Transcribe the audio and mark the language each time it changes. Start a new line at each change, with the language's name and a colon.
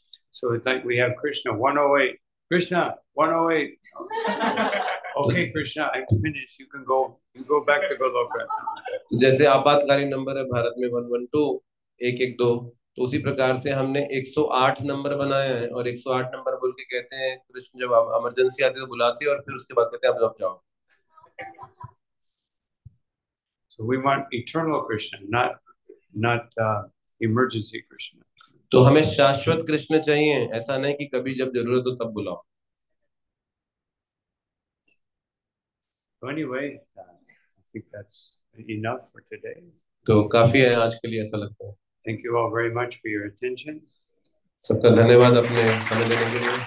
English: So it's like we have Krishna 108. Krishna 108. Okay, Krishna, I finished. You can go. You go back to Goloka.
Hindi: तो जैसे आपातकालीन number है भारत में 112, 112. तो उसी प्रकार से हमने 108 नंबर बनाया है, और 108 नंबर बोल के कहते हैं कृष्ण जब इमरजेंसी आती है तो बुलाते हैं, और फिर उसके बाद कहते हैं अब जाओ.
English: So we want eternal Krishna, not emergency Krishna.
Hindi: तो हमें शाश्वत कृष्ण चाहिए, ऐसा नहीं कि कभी जब जरूरत हो तब बुलाओ.
English: Anyway, I think that's enough for today.
Hindi: तो काफी है आज के लिए ऐसा लगता है.
English: Thank you all very much for your attention.
Hindi: सबका धन्यवाद अपने समय देने के लिए.